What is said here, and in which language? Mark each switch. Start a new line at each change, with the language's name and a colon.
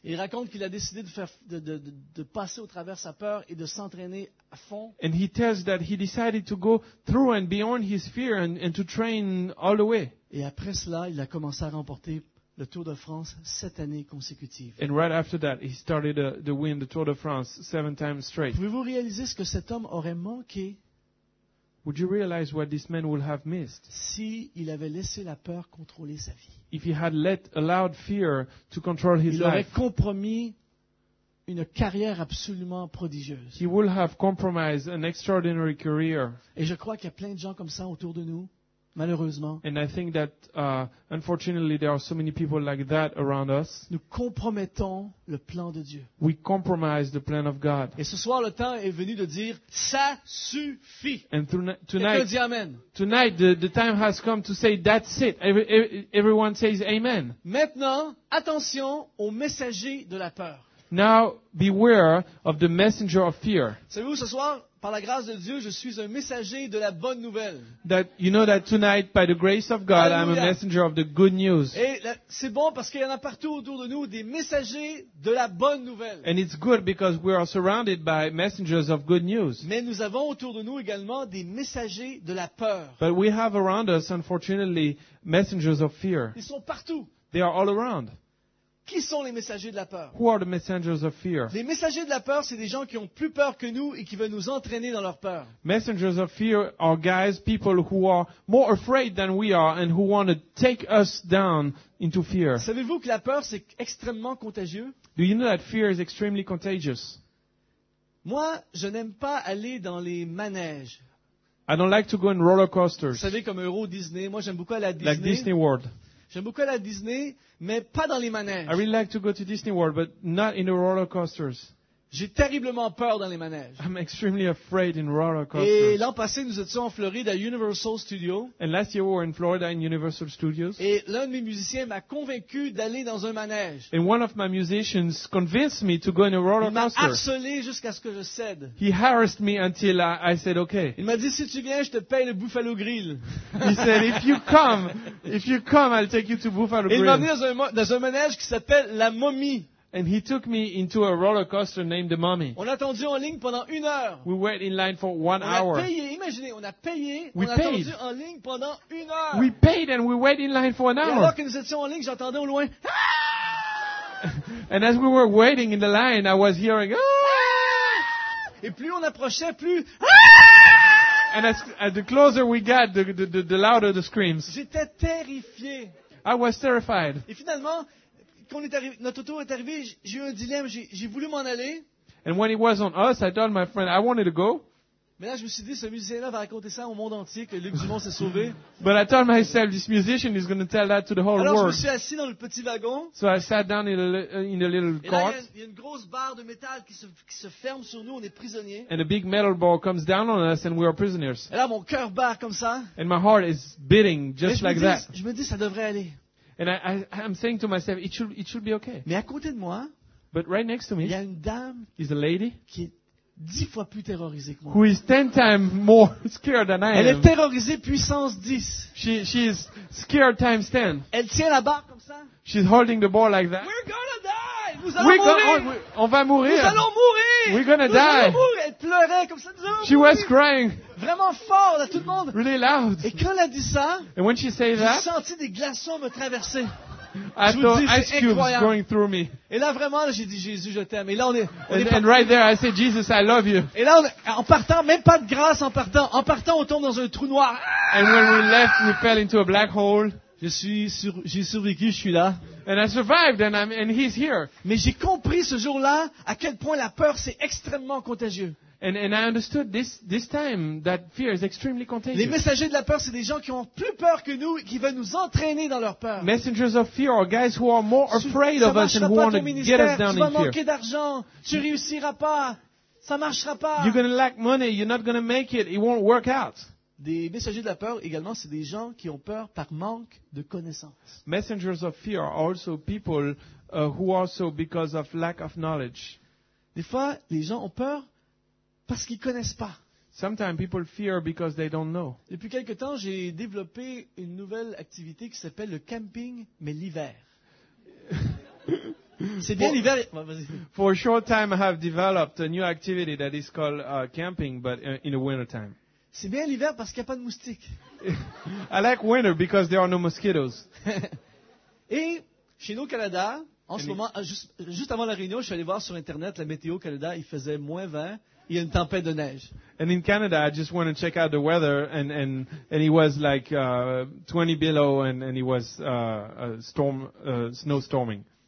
French: Il raconte qu'il a décidé de passer au travers sa peur et de s'entraîner à fond.
English: And he tells that he decided to go through and beyond his fear and to train all the way.
French: Et après cela, il a commencé à remporter le Tour de France 7 années consécutives.
English: And right after that, he started to win the Tour de France 7 times straight.
French: Pouvez-vous réaliser ce que cet homme aurait manqué?
English: Would you realize what this man would have missed?
French: Si il avait laissé la peur contrôler sa vie.
English: If he had allowed fear to control his life.
French: Il aurait compromis une carrière absolument prodigieuse.
English: He would have compromised an extraordinary career.
French: Et je crois qu'il y a plein de gens comme ça autour de nous, malheureusement.
English: And I think that unfortunately there are so many people like that around us.
French: Nous compromettons le plan de Dieu.
English: We compromise the plan of God.
French: Et ce soir le temps est venu de dire ça suffit.
English: And tonight,
French: dit amen.
English: Tonight the time has come to say that's it. Everyone says amen.
French: Maintenant, attention aux messagers de la peur.
English: Now beware of the messenger of fear.
French: Savez-vous ce soir, par la grâce de Dieu, je suis un messager de la bonne nouvelle.
English: That you know that tonight, by the grace of God, I'm a messenger of the good news.
French: Et c'est bon parce qu'il y en a partout autour de nous des messagers de la bonne nouvelle.
English: And it's good because we are surrounded by messengers of good news.
French: Mais nous avons autour de nous également des messagers de la peur.
English: But we have around us, unfortunately, messengers of fear.
French: Ils sont partout.
English: They are all around.
French: Qui sont les messagers de la peur?
English: Who are the messengers of fear?
French: Les messagers de la peur, c'est des gens qui ont plus peur que nous et qui veulent nous entraîner dans leur peur.
English: Messengers of fear are guys, people who are more afraid than we are and who want to take us down into fear.
French: Savez-vous que la peur c'est extrêmement contagieux?
English: Do you know that fear is extremely contagious?
French: Moi, je n'aime pas aller dans les manèges.
English: I don't like to go in roller coasters.
French: Vous savez, comme Euro Disney. Moi, j'aime beaucoup aller à Disney.
English: Like Disney World.
French: J'aime beaucoup aller à Disney, mais pas dans les manèges.
English: I really like to go to Disney World, but not in the roller coasters.
French: J'ai terriblement peur dans les manèges.
English: I'm extremely afraid in roller coasters.
French: Et l'an passé, nous étions en Floride à Universal Studios.
English: And last year we were in Florida in Universal Studios.
French: Et l'un de mes musiciens m'a convaincu d'aller dans un manège.
English: And one of my musicians convinced me to go in a roller coaster.
French: Il m'a harcelé jusqu'à ce que je cède.
English: He harassed me until I said okay.
French: Il m'a dit, si tu viens, je te paye le Buffalo Grill.
English: He said, if you come, I'll take you to Buffalo Grill.
French: Il m'a emmené dans un manège qui s'appelle La Momie.
English: And he took me into a roller coaster named the Mummy.
French: On a attendu en ligne pendant une heure.
English: We waited in line for one hour.
French: On a payé. Imaginez, on a payé.
English: We paid.
French: On a attendu en ligne pendant une heure.
English: We paid and we waited in line for an hour.
French: Et alors que nous étions en ligne, j'entendais au loin. Ah!
English: And as we were waiting in the line, I was hearing. Ah!
French: Et plus on approchait, plus. Ah!
English: And as the closer we got, the louder the screams.
French: J'étais terrifié.
English: I was terrified.
French: Et finalement. Quand notre tour est arrivé, j'ai eu un dilemme, j'ai voulu m'en aller.
English: And when it was on us, I told my friend, I wanted to go.
French: Mais là, je me suis dit, ce musicien-là va raconter ça au monde entier que Luc Dumont s'est sauvé.
English: But I told myself, this musician is going to tell that to the whole world.
French: Alors, je me suis assis dans le petit wagon.
English: So I sat down in a little cart.
French: Et là, il y a une grosse barre de métal qui se ferme sur nous, on est prisonniers.
English: And a big metal bar comes down on us and we are prisoners.
French: Et là, mon cœur bat comme ça.
English: And my heart is beating just like that.
French: Je me dis, ça devrait aller.
English: And I'm saying to myself, it should be okay.
French: Mais à côté de moi,
English: but right next to me,
French: il y a une dame
English: is a lady
French: qui est 10 fois plus terrorisée que moi.
English: Who is 10 times more scared than I am.
French: Elle est terrorisée puissance 10.
English: She is scared times 10.
French: Elle tient la barre comme ça.
English: She's holding the bar like that. We're gonna die.
French: Nous allons mourir. On va mourir. Nous allons mourir.
English: We're gonna
French: nous
English: die.
French: Elle pleurait comme ça. Nous allons
English: she
French: mourir.
English: Was crying.
French: Vraiment fort, là, tout le monde.
English: Really loud.
French: Et quand elle a dit ça,
English: and when she said
French: j'ai
English: that,
French: senti des glaçons me traverser.
English: I
French: je vous dis, c'est incroyable.
English: Going through me.
French: Et là, vraiment, là, j'ai dit, Jésus, je t'aime. Et là,
English: and right there, I said, Jesus, I love you.
French: Et là, en partant, même pas de grâce, en partant, on tombe dans un trou noir.
English: And when we left, we fell into a black hole.
French: J'ai survécu, je suis là.
English: And I survived, and he's here.
French: Mais j'ai compris ce jour-là à quel point la peur c'est extrêmement contagieux.
English: And I understood this time that fear is extremely contagious.
French: Les messagers de la peur, c'est des gens qui ont plus peur que nous et qui veulent nous entraîner dans leur peur.
English: Messengers of fear are guys who are more afraid of us and who want to get us down in fear.
French: Tu vas manquer d'argent, tu réussiras pas, ça marchera pas.
English: You're going to lack money, you're not going to make it, it won't work out.
French: Des messagers de la peur également, c'est des gens qui ont peur par manque de connaissance.
English: Messengers of fear are also people who also because of lack of knowledge.
French: Des fois, les gens ont peur parce qu'ils connaissent pas.
English: Sometimes people fear because they don't know.
French: Depuis quelque temps, j'ai développé une nouvelle activité qui s'appelle le camping, mais l'hiver. C'est bien l'hiver.
English: For a short time, I have developed a new activity that is called camping, but in the winter time.
French: C'est bien l'hiver parce qu'il n'y a pas de moustiques.
English: I like winter because there are no mosquitoes.
French: Et chez nous au Canada, en ce moment, juste avant la réunion, je suis allé voir sur Internet la météo au Canada, il faisait moins 20, il y a une tempête de neige.
English: And in Canada, I just wanted to check out the weather and it was like 20 below and it was snowstorming.